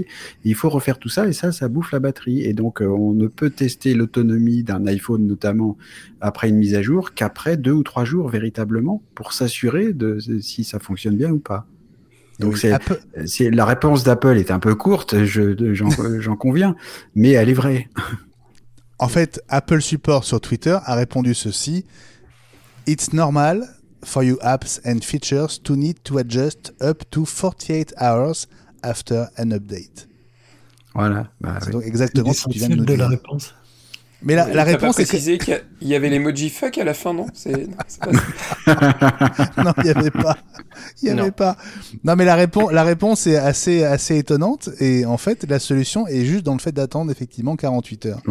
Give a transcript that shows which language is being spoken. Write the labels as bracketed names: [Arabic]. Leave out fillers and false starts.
[French] Et il faut refaire tout ça, et ça bouffe la batterie. Et donc, on ne peut tester l'autonomie d'un iPhone, notamment après une mise à jour, qu'après 2 ou 3 jours, véritablement, pour s'assurer de si ça fonctionne bien ou pas. Donc, c'est la réponse d'Apple est un peu courte, j'en conviens, mais elle est vraie. En fait, Apple Support sur Twitter a répondu ceci. [English] « It's normal for your apps and features to need to adjust up to 48 hours after an update. » [French] Voilà. C'est donc exactement ce que tu viens de nous de dire. La réponse. Mais la réponse est... Tu as précisé qu'il y avait l'emoji fuck à la fin, non ? Non, il n'y avait pas. Il n'y avait pas. Non, mais la réponse est assez étonnante. Et en fait, la solution est juste dans le fait d'attendre effectivement 48 heures.